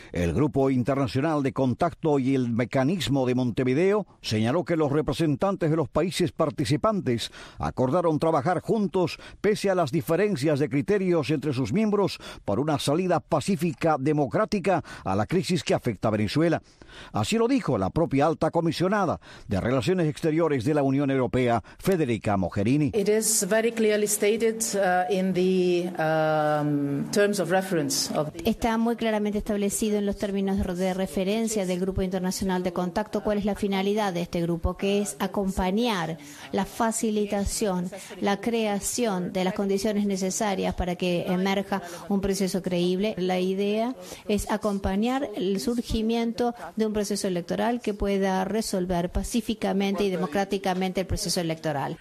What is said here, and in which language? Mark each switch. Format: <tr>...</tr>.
<es>El Grupo Internacional de Contacto y el Mecanismo de Montevideo señaló que los representantes de los países participantes acordaron trabajar juntos pese a las diferencias de criterios entre sus miembros por una salida pacífica democrática a la crisis que afecta a Venezuela. Así lo dijo la propia alta comisionada de Relaciones Exteriores de la Unión Europea, Federica Mogherini.</es> <en>It is very clearly stated in the terms of reference of the...</en> <es>Está muy claramente establecido en los términos de referencia del Grupo Internacional de Contacto cuál es la finalidad de este grupo, que es acompañar la facilitación, la creación de las condiciones necesarias para que emerja un proceso creíble. La idea es acompañar el surgimiento de un proceso electoral que pueda resolver pacíficamente y democráticamente el proceso electoral.</es>